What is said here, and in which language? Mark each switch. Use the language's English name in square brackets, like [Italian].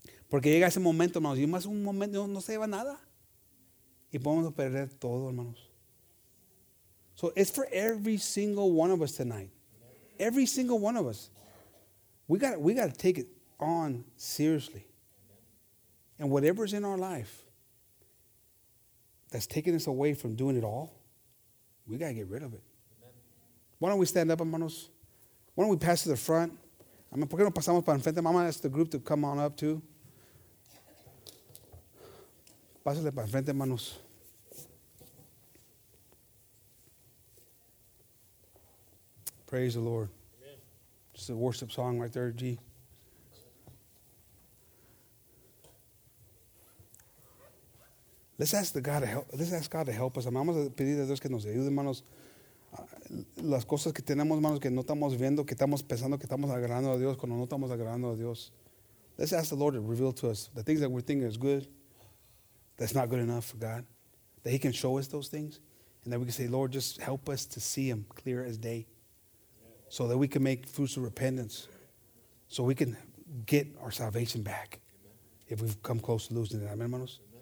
[Spanish] Porque llega ese momento, hermanos, y más un momento no se lleva nada. Y podemos perder todo, hermanos. [English] So it's for every single one of us tonight. Every single one of us. We got to take it on seriously. And whatever's in our life that's taking us away from doing it all, we got to get rid of it. Why don't we stand up, hermanos? Why don't we pass to the front? I mean, [Spanish] ¿por qué no pasamos para enfrente? [English] I'm going to ask the group to come on up too. [Spanish] Pásale para enfrente, hermanos. [English] Praise the Lord. Amen. Just a worship song right there, G. Let's ask God to help us. [Spanish] Vamos a pedir a Dios que nos ayude, hermanos. Las cosas que tenemos, hermanos, que no estamos viendo, que estamos pensando que estamos agradando a Dios cuando no estamos agradando a Dios. [English] Let's ask the Lord to reveal to us the things that we're thinking is good, that's not good enough for God, that he can show us those things, and that we can say, Lord, just help us to see him clear as day so that we can make fruits of repentance, so we can get our salvation back if we've come close to losing it. Amen, hermanos?